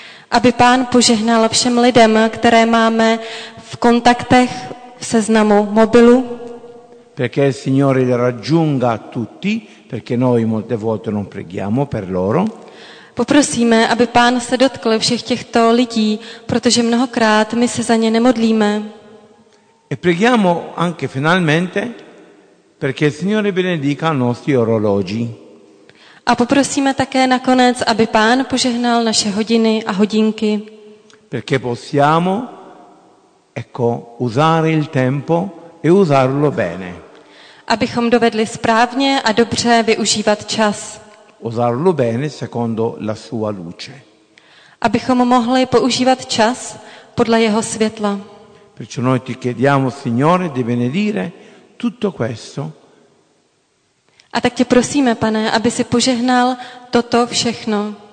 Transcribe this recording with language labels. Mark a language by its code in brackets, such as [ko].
[cs] Aby Pán požehnal všem lidem, které máme v kontaktech v seznamu mobilu. [it] Perché il Signore raggiunga tutti, perché noi molte volte non preghiamo per loro. [cs] Poprosíme, aby Pán se dotkl všech těchto lidí, protože mnohokrát my se za ně nemodlíme. [it] E preghiamo anche finalmente perché il Signore benedica i nostri orologi. [cs] A poprosíme také nakonec, aby Pán požehnal naše hodiny a hodinky. [it] Perché possiamo ecco usare il tempo e usarlo bene. [cs] Abychom dovedli správně a dobře využívat čas. [it] Usarlo bene secondo la sua luce. [cs] Abychom mohli používat čas podle jeho světla. [it] Perciò noi ti chiediamo, Signore, di benedire tutto questo. [cs] A tak tě prosíme, Pane, aby si požehnal toto všechno.